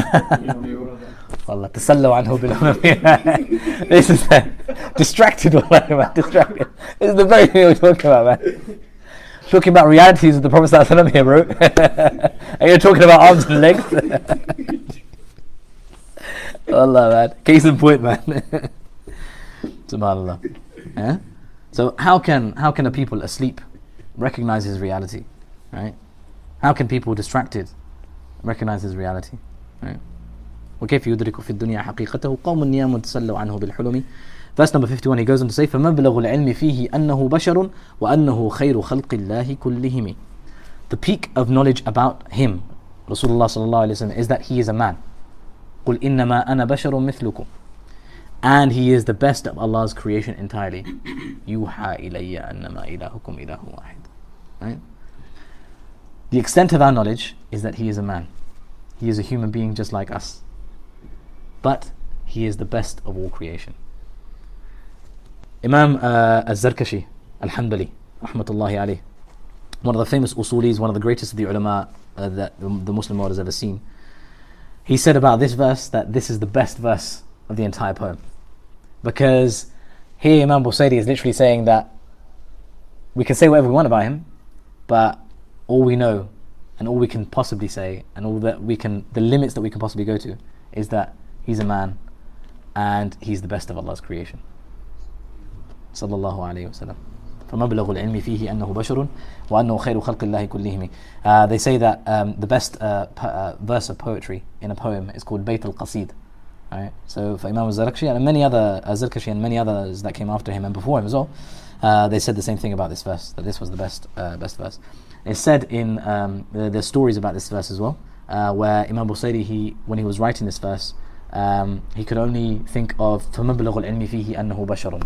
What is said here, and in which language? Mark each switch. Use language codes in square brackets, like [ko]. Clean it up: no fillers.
[ar] والله تسلوا عنه بالأمامية. [en] This is distracted. [ar] والله ما [en] distracted. This is the very thing we're talking about, man. Talking about realities of the Prophet [ar] صلى الله عليه وسلم [en] here, bro. And you're talking about arms and legs. Allah, man. Case in point, man. Subhanallah. Yeah? So how can a people asleep recognize his reality, right? How can people distracted recognize his reality, right? [ar] وكيف يدرك في الدنيا حقيقته قوم نيام تسلوا عنه بالحلم. [en] Verse number 51, he goes on to say, [ar] فمبلغ العلم فيه أنه بشر وأنه خير خلق الله كلهم. [en] The peak of knowledge about him, Rasulullah [ar] صلى الله عليه وسلم, [en] is that he is a man. [ar] قل إنما أنا بشر مثلكم. [en] And he is the best of Allah's creation entirely. [ar] يوحى إلي أنما إلهكم إله واحد. [en] Right? The extent of our knowledge is that he is a man. He is a human being just like us. But he is the best of all creation. Imam Az-Zarkashi Al-Hanbali rahmatullahi alayh, one of the famous usulis, one of the greatest of the ulama that the Muslim world has ever seen, he said about this verse that this is the best verse of the entire poem, because here Imam Busayri is literally saying that we can say whatever we want about him, but all we know and all we can possibly say and all that we can, the limits that we can possibly go to, is that he's a man and he's the best of Allah's creation. [ar] صلى الله عليه وسلم. فمبلغ العلم فيه أنه بشر وأنه خير خلق الله كلهم. [en] They say that the best verse of poetry in a poem is called بيت القصيد. Right? So for Imam Zarkashi and many other Zarkashi and many others that came after him and before him as well, they said the same thing about this verse, that this was the best verse. It's said in the stories about this verse as well, where Imam Busayri, when he was writing this verse, he could only think of [ar] فمبلغ العلم فيه أنه بشر.